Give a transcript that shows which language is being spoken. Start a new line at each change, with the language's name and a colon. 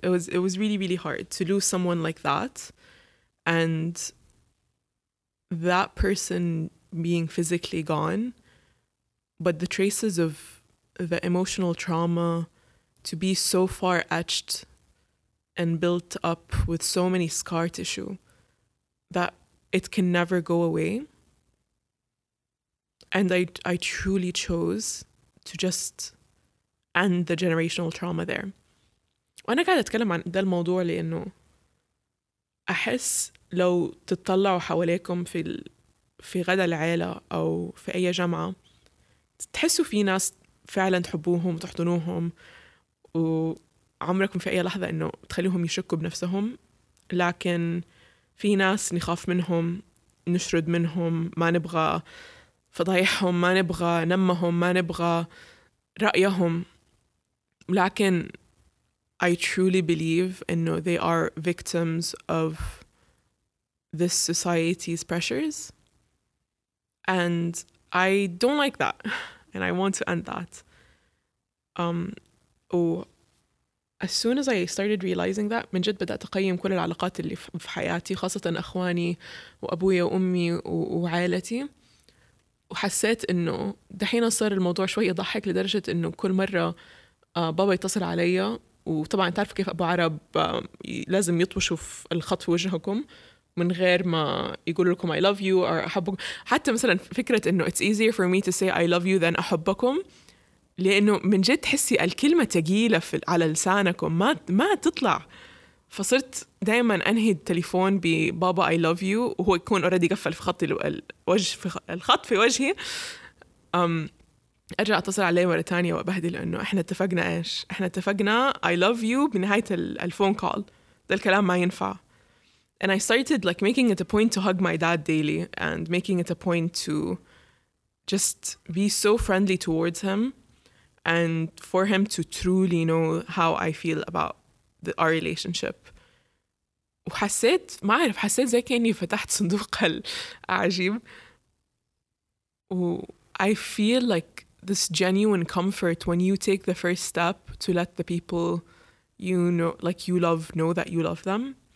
English: It was really really hard to lose someone like that, and that person being physically gone, but the traces of the emotional trauma to be so far etched and built up with so many scar tissue that it can never go away. And I truly chose to just end the generational trauma there.
Arabic: وأنا قاعدة أتكلم عن ده الموضوع لأنه أحس لو تطلعوا حواليكم في غدا العيلة أو في أي جامعة تحسوا في ناس فعلا تحبوهم وتحضنوهم وعمركم في أي لحظة أنه تخليهم يشكوا بنفسهم، لكن في ناس نخاف منهم، نشرد منهم، ما نبغى فضايحهم، ما نبغى نمهم، ما نبغى رأيهم. لكن
English: I truly believe
Arabic: أنه
English: they are victims of this society's pressures, and I don't like that, and I want to end that. As soon as I started realizing that,
Arabic: من جد بدأت أقيم كل العلاقات اللي في حياتي، خاصة أخواني وأبوي وأمي وعائلتي، وحسيت إنه دحين صار الموضوع شوي يضحك، لدرجة إنه كل مرة بابا يتصل علي، وطبعا تعرف كيف أبو عرب لازم يطوشوا في الخط في وجهكم من غير ما يقول لكم
English: I love you or
Arabic: أحبكم. حتى مثلا فكرة إنه
English: it's easier for me to say I love you than
Arabic: أحبكم، لأنه من جد تحسي الكلمة تقيلة على لسانكم، ما تطلع. فصرت دائما أنهي التليفون ببابا
English: I love you
Arabic: وهو يكون أوريدي قفل في خط الوجه، في الخط في وجهي. أرجع أتصل عليه مرة تانية وأبهدي، لأنه إحنا اتفقنا إيش؟ إحنا اتفقنا
English: I love you
Arabic: بنهاية الفون كول، ده الكلام ما ينفع.
English: And I started like making it a point to hug my dad daily and making it a point to just be so friendly towards him and for him to truly know how I feel about our relationship.
Arabic: وحسيت ما أعرف، حسيت زي كأني فتحت صندوق العجيب.
English: I feel like this genuine comfort when you take the first step to let the people you know, like you love, know that you love them.